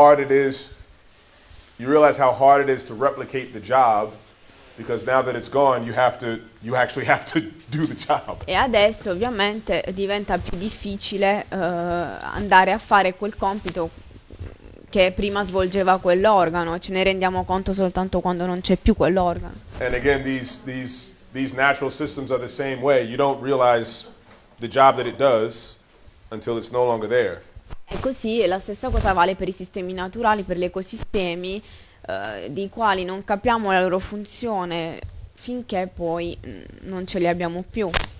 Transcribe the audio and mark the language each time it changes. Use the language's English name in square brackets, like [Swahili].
[English] And then you realize how hard it is to replicate the job, because now that it's gone, you actually have to do the job. [Italian] E adesso ovviamente diventa più difficile andare a fare quel compito che prima svolgeva quell'organo. Ce ne rendiamo conto soltanto quando non c'è più quell'organo. [English] And again, these natural systems are the same way. You don't realize the job that it does until it's no longer there. [Italian] E così la stessa cosa vale per i sistemi naturali, per gli ecosistemi, di quali non capiamo la loro funzione finché poi non ce li abbiamo più.